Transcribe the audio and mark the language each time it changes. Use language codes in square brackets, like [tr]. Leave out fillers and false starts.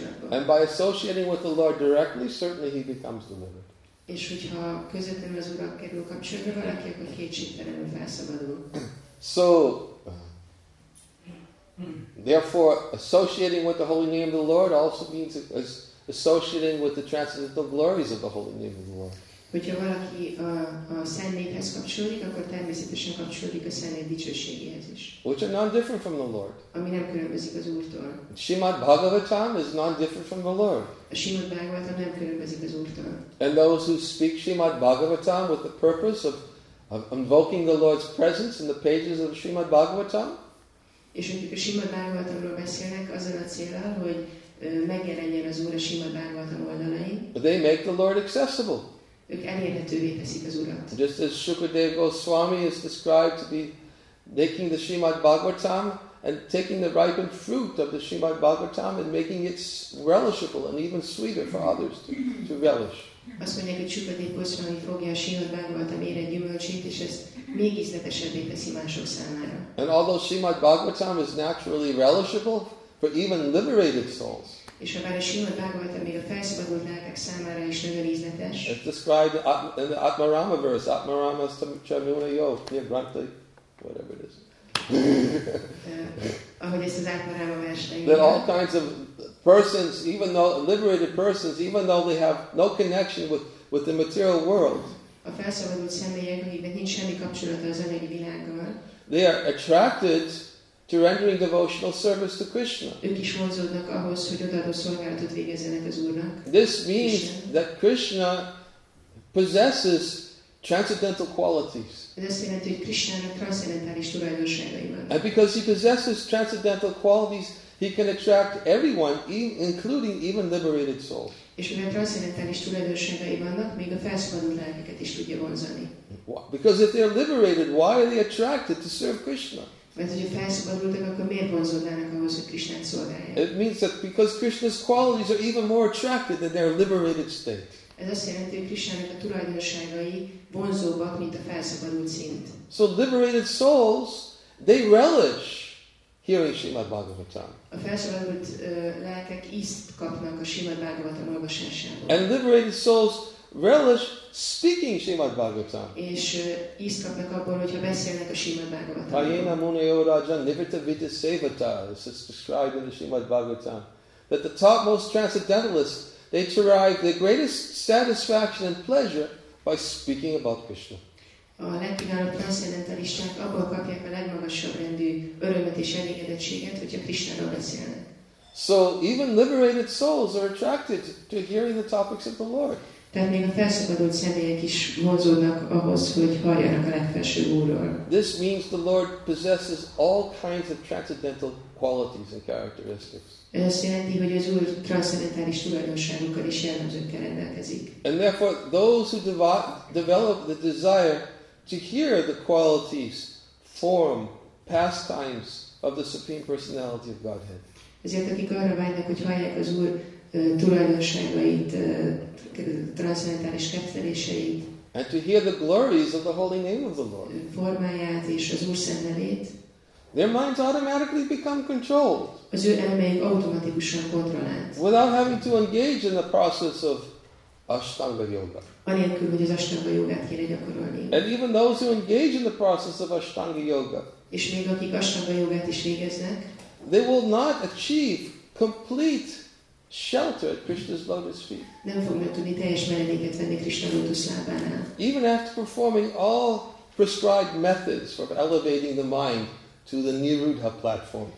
[en] And by associating with the Lord directly, certainly he becomes the Lord. [hu] És hogyha közvetlenül az Urak kerül kapcsolatba valaki, akkor kétségtelenül felszabadul. [en] So, therefore, associating with the holy name of the Lord also means associating with the transcendental glories of the holy name of the Lord. [hu] Hogyha valaki a Szent Névhez kapcsolódik, akkor természetesen kapcsolódik a Szent Név dicsőségéhez is. [en] Which are non-different from the Lord. [hu] Ami nem különbözik az Úrtól. [en] Srimad Bhagavatam is non-different from the Lord. [hu] Srimad Bhagavatam nem különbözik az Úrtól. [en] And those who speak Srimad Bhagavatam with the purpose of invoking the Lord's presence in the pages of Srimad Bhagavatam. [hu] És akik a Srimad Bhagavatamról beszélnek, azzal a céllal, hogy megjelenjen az Úr a Srimad Bhagavatam oldalain. [en] They make the Lord accessible. [hu] Ők elérhetővé teszik az Urat. [en] Just as Shukadeva Goswami is described to be making the Srimad Bhagavatam and taking the ripened fruit of the Srimad Bhagavatam and making it relishable and even sweeter for others to relish. [hu] Azt mondják, hogy Shukadeva Goswami fogja a Srimad Bhagavatam érett gyümölcsét, és ezt még ízletesebbé teszi mások számára. [en] And although Srimad Bhagavatam is naturally relishable for even liberated souls, [hu] és akár a Srimad Bhagavatam még a felszabadult lelkek számára is nagyon ízletes. [en] It's described in the Atmarama verse, Atmarama Stamchamuna Yog, yeah, Grantli, whatever it is. [hu] Ahogy ezt az Atmarama versenyben. [en] That all kinds of persons, even though liberated persons, even though they have no connection with the material world, [hu] a felszabadult személyek, akiknek nincs semmi kapcsolata az anyagi világgal, [en] they are attracted to rendering devotional service to Krishna. [hu] Ők is vonzódnak ahhoz, hogy odaadó szolgálatot végezzenek az Úrnak. [en] This means that Krishna possesses transcendental qualities. [hu] Ez azt jelenti, hogy Krishnának transzcendentális tulajdonságai vannak. [en] And because he possesses transcendental qualities, he can attract everyone, including even liberated souls. [hu] És mivel transzcendentális tulajdonságai vannak, még a felszabadult lelkeket is tudja vonzani. [en] Because if they are liberated, why are they attracted to serve Krishna? [hu] Mert hogyha felszabadultak, akkor miért vonzódnának ahhoz, hogy Krishnát szolgálják? [en] It means that because Krishna's qualities are even more attractive than their liberated state. [hu] Ez azt jelenti, hogy Krishnának a tulajdonságai vonzóbbak, mint a felszabadult szint. [en] So liberated souls, they relish hearing Srimad Bhagavatam. [hu] A felszabadult lelkek ízt kapnak a Srimad Bhagavatam olvasásából. [en] And liberated souls relish speaking Srimad Bhagavatam. [hu] És ízt kapnak abból, hogyha beszélnek a Srimad Bhagavatam. [sa] Hayena Munayo Rajan Nivrita Vita Sevata, [en] as it's described in the Srimad Bhagavatam, that the topmost transcendentalists, they derive the greatest satisfaction and pleasure by speaking about Krishna. [hu] A legkiválóbb transzcendentalisták abból kapják a legmagasabb rendű örömet és elégedettséget, hogyha Krishnáról beszélnek. [en] So even liberated souls are attracted to hearing the topics of the Lord. [hu] Tehát még a felszabadult személyek is vonzódnak ahhoz, hogy halljanak a legfelsőbb Úrról. [en] This means the Lord possesses all kinds of transcendental qualities and characteristics. [hu] Ez azt jelenti, hogy az Úr transzcendentális tulajdonságokkal és jellemzőkkel rendelkezik. [en] And therefore, those who develop the desire to hear the qualities, form, pastimes of the Supreme Personality of Godhead. [hu] Ezért akik arra vágynak, hogy hallják az Úr tulajdonságait, transzcendentális kettveléseit. [en] And to hear the glories of the holy name of the Lord. [hu] Formáját és az Úr szent nevét. [en] Their minds automatically become controlled. [hu] Az ő elmeik automatikusan kontrollált. [en] Without having to engage in the process of Ashtanga yoga. [hu] Anélkül, hogy az Ashtanga yogát kéne gyakorolni. [en] And even those who engage in the process of Ashtanga yoga. [hu] És még akik Ashtanga yogát is végeznek. [en] They will not achieve complete shelter at Krishna's lotus feet. [hu] Nem fognak tudni teljes menedéket venni Krishna lotus lábánál. [en] Even after performing all prescribed methods for elevating the mind to the Nirudha platform.